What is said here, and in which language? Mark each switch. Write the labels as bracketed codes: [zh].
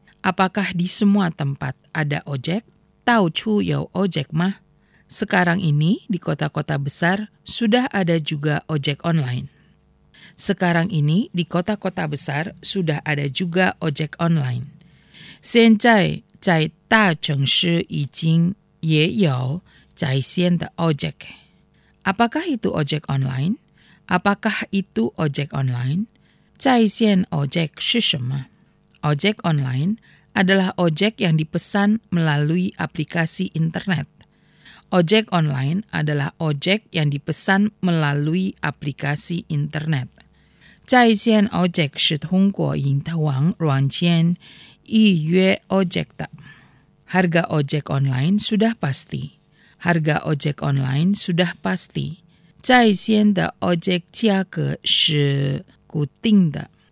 [id] Apakah di semua tempat ada ojek? [zh] Tau chu yau ojek mah? [id] Sekarang ini di kota-kota besar sudah ada juga ojek online. Sekarang ini di kota-kota besar sudah ada juga ojek online. [zh] 现在在大城市已经也有在线的 ojek。 [id] Apakah itu ojek online? Apakah itu ojek online? [zh] 在线 ojek 是什么？ [id] Ojek online adalah ojek yang dipesan melalui aplikasi internet. Ojek online adalah ojek yang dipesan melalui aplikasi internet. [zh] 在线 ojek 是通过互联网软件预约 ojek 的. [id] Harga ojek online sudah pasti. Harga ojek online sudah pasti. [zh] 在线的 ojek 价格 是 固定 的.